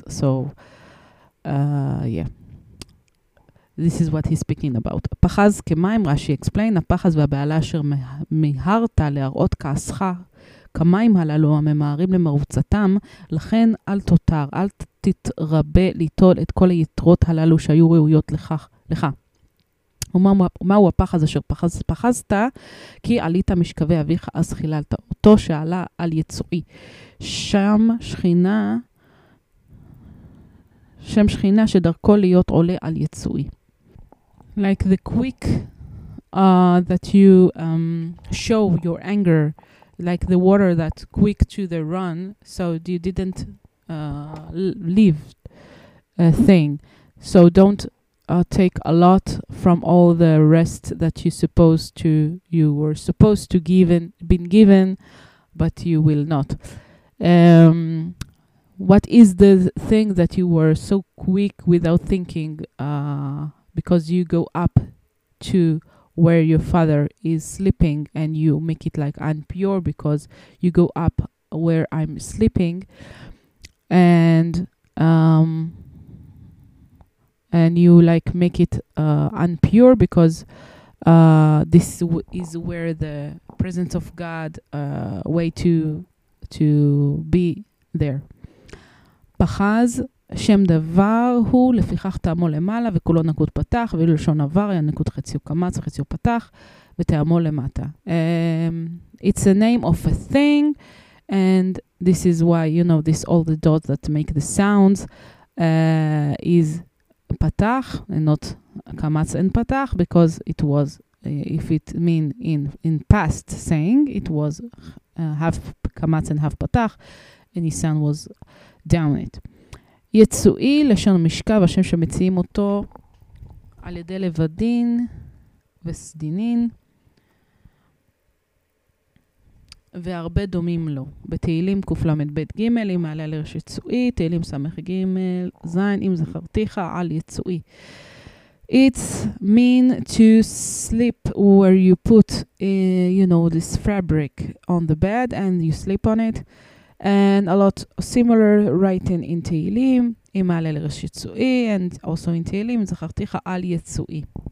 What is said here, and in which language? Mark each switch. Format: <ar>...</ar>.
<en>So this is what he's speaking about.</en> <he>פחז כמיים, רשי</he> <en>explain,</en> <he>הפחז והבעלה אשר מהרת להראות כעסך, כמיים הללו הממהרים למרוצתם, לכן אל תותר, אל תתרבה ליטול את כל היתרות הללו שהיו ראויות לך. ומהו הפחז אשר פחזת, כי עלית משכבי אביך אז חיללת אותו שעלה על יצועי. שם שכינה שדרכו להיות עולה על יצועי.</he> <en>Like the quick that you show your anger like the water that's quick to the run, so you didn't leave a thing. So don't take a lot from all the rest that you were supposed to have been given, but you will not. What is the thing that you were so quick without thinking, because you go up to where your father is sleeping and you make it like impure because you go up where I'm sleeping, and you like make it impure because this is where the presence of God way to be there.</en> <he>Pachaz שם דבר הוא לפיכך טעמו למעלה וכולו נקוד פתח ואילו לשון עבר היה נקוד חציו קמץ וחציו פתח וטעמו למטה.</he> <en>It's a name of a thing, and this is why, you know, this all the dots that make the sounds is פתח and not קמץ and פתח, because it was, if it mean in past saying, it was half קמץ and half פתח, and his son was down it.</en> <he>יצואי לשון משכב, השם שמציעים אותו על ידי לבדין וסדינין והרבה דומים לו. בתהילים קופלמת בית ג' אם מעלה לרש יצואי, תהילים סמך ג' ז' אם זכרתיך על יצואי.</he> <en>It's mean to sleep where you put you know, this fabric on the bed and you sleep on it. And a lot similar writing in Teheilim,</en> <he>imale l'reshitzu'i,</he> <en>and also in Teheilim,</en> <he>zachartich ha'al yetzu'i.</he>